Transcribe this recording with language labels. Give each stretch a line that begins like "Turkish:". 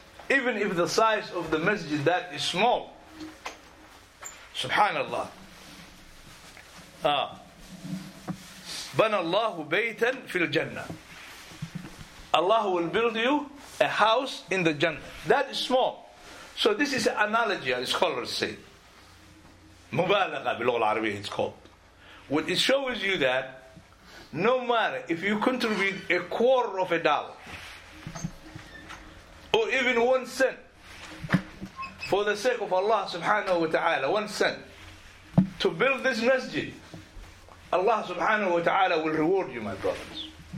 English: Even if the size of the masjid that is small, subhanallah,
Arabic: بَنَى اللَّهُ بَيْتًا فِي الْجَنَّةِ,
English: Allah will build you a house in the Jannah. That is small. So this is an analogy, as scholars say.
Arabic: مُبَالَغَ بِلُغَ الْعَرَبِيَةِ
English: it's called. What it shows you that, no matter if you contribute a quarter of a dollar, or even 1 cent, for the sake of Allah subhanahu wa ta'ala, 1 cent, to build this masjid, Allah subhanahu wa ta'ala will reward you, my brothers.